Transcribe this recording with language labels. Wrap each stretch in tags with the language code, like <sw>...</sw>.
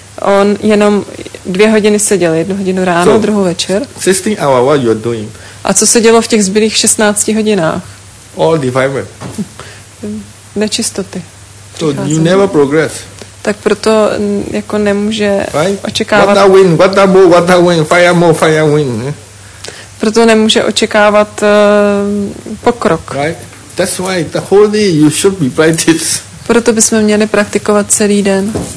<cs>On jenom 2 hodiny seděl, 1 hodinu ráno,</cs> <en>so,</en> <cs>druhou večer.</cs> <en>16 hour, what you are doing?</en> <cs>A co se dělo v těch zbylých 16 hodinách?</cs> <en>All defilement.</en> <cs>Nečistoty.</cs> <en>So you never progress.</en> <cs>Tak proto jako nemůže</cs> <en>right?</en> <cs>Očekávat... What a win, what a move, what a win, fire win. Proto nemůže očekávat pokrok.</cs> <en>Right? That's why the whole day you should be practice.</en> <cs>Proto bychom měli praktikovat celý den.</cs>